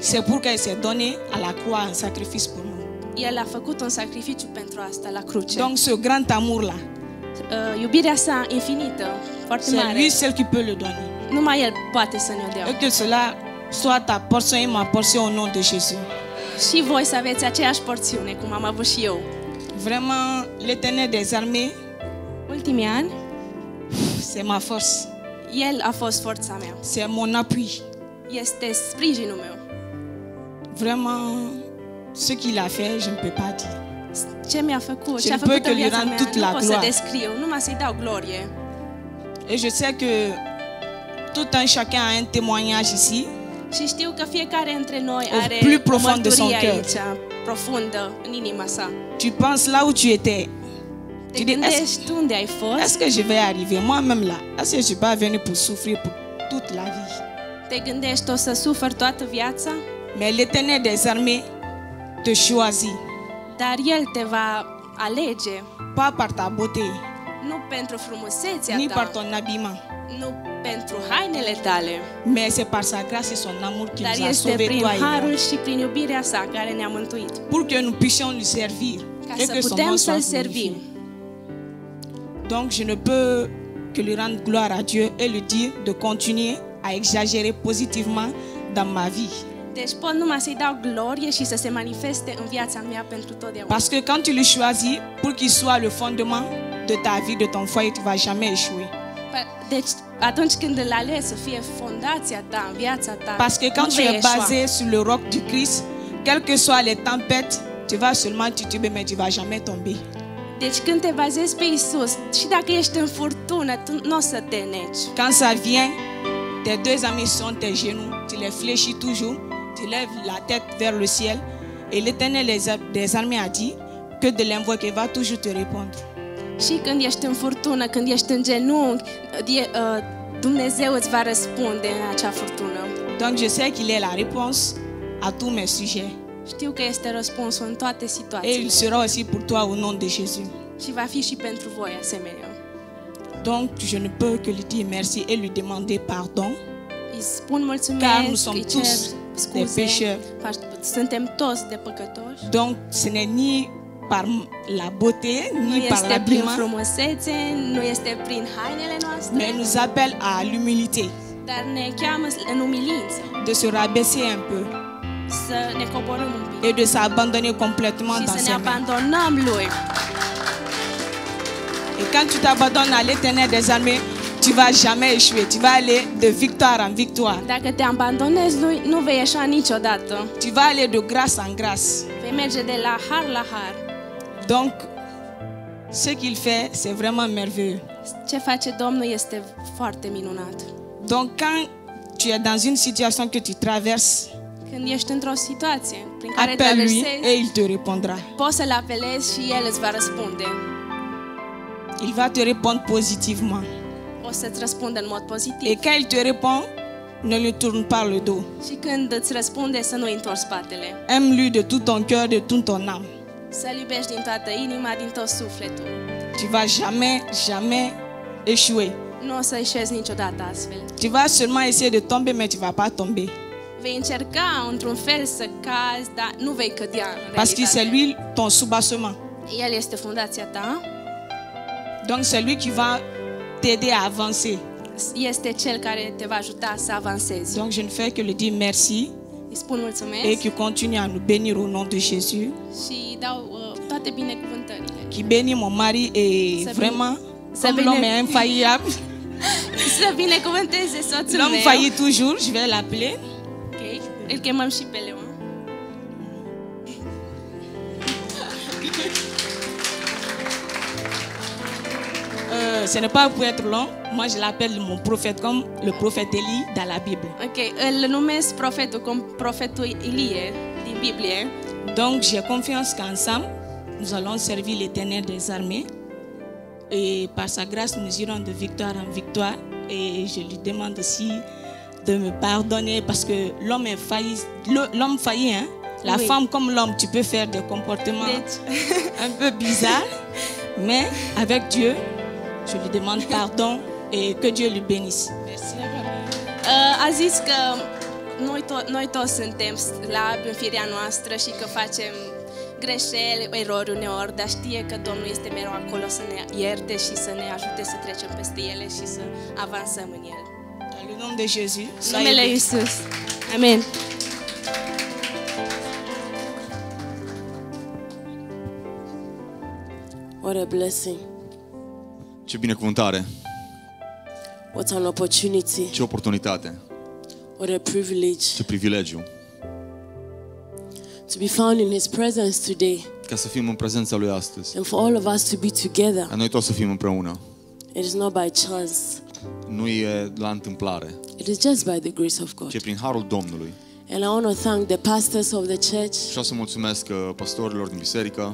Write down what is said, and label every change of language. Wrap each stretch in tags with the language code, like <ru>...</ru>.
<fr>C'est pour qu'elle s'est donné à la croix en sacrifice pour nous.</fr> <ro>El a făcut un sacrificiu pentru asta la cruce.</ro> <fr>Donc ce grand amour là.</fr> <ro>Iubirea sa infinită, foarte</ro> <fr>c'est</fr> <ro>mare.</ro> <fr>C'est lui seul qui peut le donner.</fr> <ro>Numai el poate să ne-o dea.</ro> <fr>Et que cela soit ta portion et ma portion au nom de Jésus.</fr> <ro>Și voi să aveți aceeași porțiune cum am avut și eu.</ro> <fr>Vraiment l'Éternel des armées.</fr> <ro>Ultimii ani.</ro> <fr>C'est ma force.</fr> <ro>El a fost forța mea.</ro> <fr>C'est mon appui.</fr> <ro>Este sprijinul meu.</ro> <fr>Vraiment ce qu'il a fait, je ne peux pas dire.</fr> <ro>Ce mi-a făcut, ce a făcut în viața mea, nu la pot să descriu, numai să-i dau glorie.</ro> <fr>Et je sais que tout un chacun a un témoignage ici.</fr> <ro>Și știu că fiecare dintre noi are</ro> <fr>o plus profundă de son cœur.</fr> <ro>Aici, profundă în inima sa.</ro> <fr>Tu penses là où tu étais. Tu dis,</fr> <ro>tu unde ai fost?</ro> <fr>Est-ce que je vais arriver moi-même là? Est-ce que je vais venir pour souffrir pour toute la vie?</fr> <ro>Te gândești, o să sufăr toată viața?</ro> <fr>Mais l'Éternel des armées te choisit.</fr> <ro>Dar el te va alege.</ro> <fr>Pas par ta beauté.</fr> <ro>Nu pentru frumusețea ta.</ro> <fr>Ni par ton habillement.</fr> <ro>Nu pentru hainele tale.</ro> <fr>Mais c'est par sa grâce et son amour qu'il nous a sauvés.</fr> <ro>Dar este prin harul și prin iubirea sa care ne-a mântuit.</ro> <fr>Pour que nous puissions lui servir.</fr> <ro>Ca să putem să-l servim.</ro> <fr>Donc je ne peux que lui rendre gloire à Dieu et lui dire de continuer à exagérer positivement dans ma vie.</fr> <ro>Deci pot numai să-i dau glorie și să se manifeste în viața mea pentru totdeauna.</ro> <fr>Parce que quand tu le choisis pour qu'il soit le fondement de ta vie, de ton foyer, tu vas jamais échouer.</fr> <ro>Deci atunci când îl alegi să fie fondația ta în viața ta.</ro> <fr>Parce que quand tu es basé sur le roc du Christ, quelles que soient les tempêtes, tu vas seulement tituber mais tu vas jamais tomber.</fr> <ro>Deci când te bazezi pe Iisus, și dacă ești în furtună, tu n-o să te neci.</ro> <fr>Quand ça vient, tes deux amis sont tes genoux, tu les fléchis toujours, tu lèves la tête vers le ciel et l'Éternel des armées a dit que de l'invoquer va toujours te répondre.</fr> <ro>Și când ești în furtună, când ești în genunchi, Dumnezeu îți va răspunde în acea furtună.</ro> <fr>Donc je sais qu'il est la réponse à tous mes sujets.</fr> <ro>Știu că este răspunsul în toate situațiile.</ro> <fr>Et il sera aussi pour toi au nom de Jésus.</fr> <ro>Și va fi și pentru voi asemenea.</ro> <fr>Donc je ne peux que lui dire merci et lui demander pardon.</fr> <ro>Îi spun mulțumesc.</ro> <fr>Car nous sommes tous des pécheurs.</fr> <ro>Suntem toți de păcătoși.</ro> <fr>Donc ce n'est ni par la beauté ni par la prima.</fr> <ro>Nu este prin frumusețe, nu este prin hainele noastre.</ro> <fr>Mais nous appelle à l'humilité.</fr> <ro>Dar ne cheamă în umilință.</ro> <fr>De se rabaisser un peu.</fr> <ro>Să ne coborâm un pic.</ro> <fr>Et de s'abandonner complètement dans ses mains.</fr> <ro>Și să ne abandonăm lui.</ro> <fr>Et quand tu t'abandonnes à l'Éternel des armées, tu vas jamais échouer. Tu vas aller de victoire en victoire.</fr> <ro>Dacă te abandonezi lui, nu vei ieși niciodată.</ro> <fr>Tu vas aller de grâce en grâce.</fr> <ro>Vei merge de la har la har.</ro> <fr>Donc ce qu'il fait, c'est vraiment merveilleux.</fr> <ro>Ce face Domnul este foarte minunat.</ro> <fr>Donc quand tu es dans une situation que tu traverses,</fr> <ro>când ești într-o situație prin care</ro> <fr>appel</fr> <ro>traversezi,</ro> <fr>lui et il te répondra.</fr> <ro>Poți să-l apelezi și el îți va răspunde.</ro> <fr>Il va te répondre positivement.</fr> <ro>O să-ți răspundă în mod pozitiv.</ro> <fr>Et quand il te répond, ne lui tourne pas le dos.</fr> <ro>Și când îți răspunde, să nu-i întorci spatele.</ro> <fr>Aime-lui de tout ton cœur, de tout ton âme.</fr> <ro>Să-l iubești din toată inima, din tot sufletul.</ro> <fr>Tu vas jamais, jamais échouer.</fr> <ro>Nu o să eșezi niciodată astfel.</ro> <fr>Tu vas seulement essayer de tomber, mais tu vas pas tomber.</fr> <ro>Vei încerca într-un fel să cazi, dar nu vei cădea.</ro> <fr>Parce que c'est lui ton soubassement.</fr> <ro>El este fondația ta.</ro> <fr>Donc c'est lui qui va t'aider à avancer.</fr> <ro>Este cel care te va ajuta să avansezi.</ro> <fr>Donc je ne fais que lui dire merci.</fr> <ro>Îi spun mulțumesc.</ro> <fr>Et qu'il continue à nous bénir au nom de Jésus.</fr> <ro>Și dau toate binecuvântările.</ro> <fr>Qui bénit mon mari et vraiment, comme l'homme est infaillible.</fr> <ro>Să binecuvânteze soțul meu.</ro> <fr>L'homme faillit toujours, je vais l'appeler.</fr> <ro>Îl chemăm și pe Leon.</ro> <fr>Ce n'est pas pour être long. Moi, je l'appelle mon prophète comme le prophète Élie dans la Bible.</fr> <ro>Ok, îl numesc prophètul</ro> <fr>comme</fr> <ro>prophètul Élie din Biblie.</ro> <fr>Donc, j'ai confiance qu'ensemble, nous allons servir l'Éternel des armées. Et par sa grâce, nous irons de victoire en victoire. Et je lui demande aussi de me pardonner parce que l'homme est failli, l'homme failli hein, la oui. Femme comme l'homme, tu peux faire des comportements un peu bizarres, mais avec Dieu, je lui demande pardon et que Dieu lui bénisse. Merci.</fr> <ro>A zis că noi toți suntem slabi în firea noastră și că facem greșeli, erori uneori, dar știe că Domnul este mereu acolo să ne ierte și să ne ajute să trecem peste ele și să avansăm în El. Dar în numele de Jesus. Numele Iisus. Amen.</ro> <en>What a blessing.</en> <ro>Ce binecuvântare.</ro> <en>What an opportunity.</en> <ro>Ce oportunitate.</ro> <en>What a privilege.</en> <ro>Ce privilegiu.</ro> <en>To be found in His presence today.</en> <ro>Ca să fim în prezența Lui astăzi.</ro> <en>And for all of us to be together.</en> <ro>Ca noi toți să fim împreună.</ro> <en>It is not by chance.</en> <ro>Nu e la întâmplare.</ro> <en>It is just by the grace of God.</en> <ro>Ci prin harul Domnului.</ro> <en>And I want to thank the pastors of the church.</en> <ro>Vreau să mulțumesc pastorilor din biserică.</ro>